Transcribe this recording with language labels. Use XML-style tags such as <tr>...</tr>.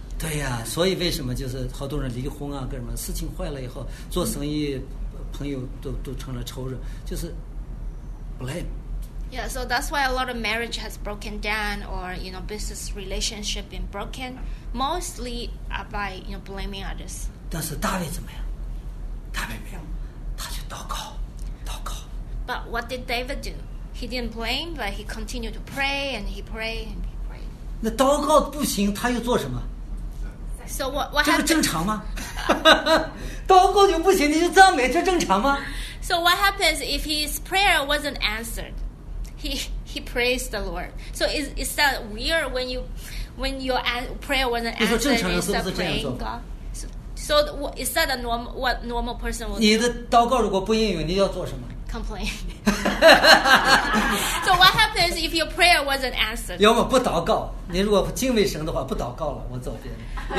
<zh>对呀，所以为什么就是好多人离婚啊，干什么事情坏了以后，做生意。朋友都成了仇人，就是 blame.</zh> <en>Yeah, so that's why a lot of marriage has broken down, or you know, business relationship been broken, mostly by you know blaming others.</en> <zh>但是大卫怎么样？大卫没有，他就祷告，祷告。</zh> <en>But what did David do? He didn't blame, but he continued to pray and he prayed and he prayed.</en> <zh>那祷告不行，他又做什么？</zh> <en>So what</en> <zh>这不正常吗？祷告就不行，你就赞美，这正常吗</zh> <en>？So what happens if his prayer wasn't answered? He prays the Lord. So is that weird when your prayer wasn't answered?</en> <zh>你说正常人是不是这样做？</zh> <en>So So is that a normal, what normal person would do?</en> <zh>你的祷告如果不应允，你要做什么？</zh> <en>Complain. So what happens if your prayer wasn't answered?</en> <zh>要么不祷告，你如果不敬畏神的话，不祷告了，我走别。</zh>